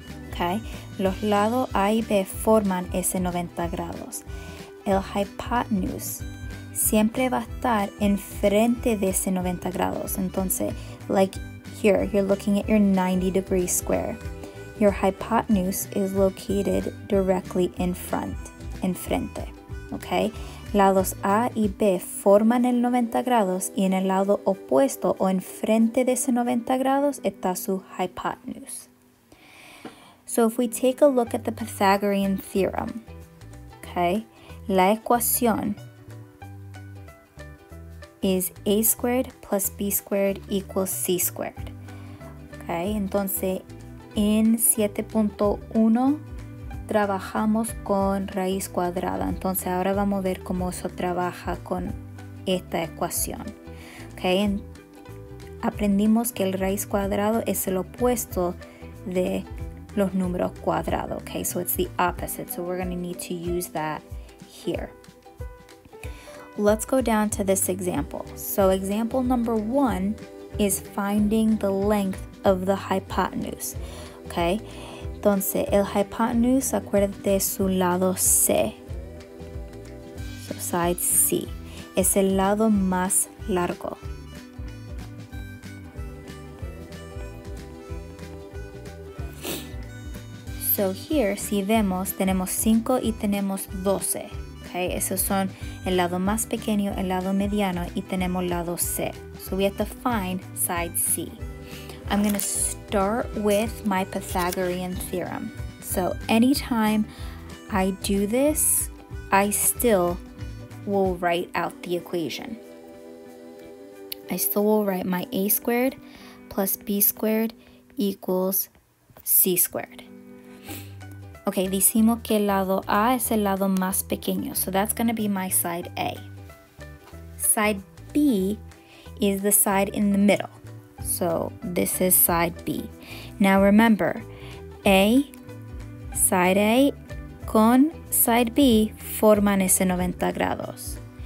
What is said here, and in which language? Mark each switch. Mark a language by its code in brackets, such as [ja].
[es] Okay, los lados A y B forman ese 90 grados. El hypotenuse siempre va a estar enfrente de ese 90 grados. Entonces, [en] like here, you're looking at your 90 degree square. Your hypotenuse is located directly in front, [es] enfrente. Okay, lados A y B forman el 90 grados y en el lado opuesto o enfrente de ese 90 grados está su hypotenuse. [en] So if we take a look at the Pythagorean theorem, okay, [es] la ecuación [en] is a squared plus b squared equals c squared. [es] Okay, entonces en 7.1 trabajamos con raíz cuadrada. Entonces ahora vamos a ver cómo eso trabaja con esta ecuación. Okay, aprendimos que el raíz cuadrado es el opuesto de los números cuadrados, okay, [en] so it's the opposite, so we're gonna need to use that here. Let's go down to this example. So example number one is finding the length of the hypotenuse, okay? [es] Entonces, el hypotenuse, acuérdate, su lado C, [en] so side C, [es] es el lado más largo. [en] So here, [es] si vemos, tenemos 5 y tenemos 12, okay? Esos son el lado más pequeño, el lado mediano, y tenemos lado C. [en] So we have to find side C. I'm gonna start with my Pythagorean theorem. So anytime I do this, I still will write out the equation. I still will write my A squared plus B squared equals C squared. [es] Okay, decimos que el lado A es el lado más pequeño. [en] So that's going to be my side A. Side B is the side in the middle. So this is side B. Now remember, A, side A, [es] con [en] side B, [es] forman ese 90 grados.